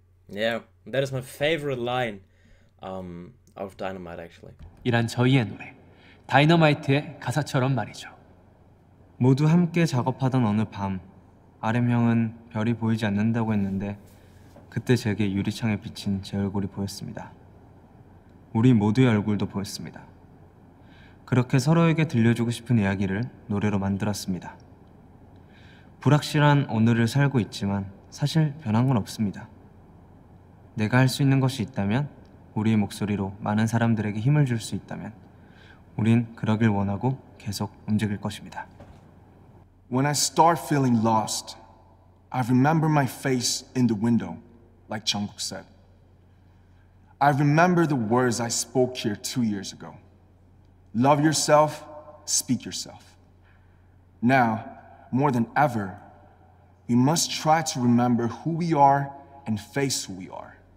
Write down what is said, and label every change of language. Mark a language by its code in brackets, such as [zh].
[en] Yeah, that is my favorite line out of Dynamite actually. [ko] 이란 저희의 노래, 다이너마이트의 가사처럼 말이죠. 모두 함께 작업하던 어느 밤 RM 형은 별이 보이지 않는다고 했는데 그때 제게 유리창에 비친 제 얼굴이 보였습니다. 우리 모두의 얼굴도 보였습니다. 그렇게 서로에게 들려주고 싶은 이야기를 노래로 만들었습니다. 불확실한 오늘을 살고 있지만 사실 변한 건 없습니다. 내가 할 수 있는 것이 있다면 우리의 목소리로 많은 사람들에게 힘을 줄 수 있다면 우린 그러길 원하고 계속 움직일 것입니다. [en] When I start feeling lost, I remember my face in the window, like Jungkook said. I remember the words I spoke here 2 years ago. Love yourself, speak yourself. Now, more than ever, we must try to remember who we are and face who we are.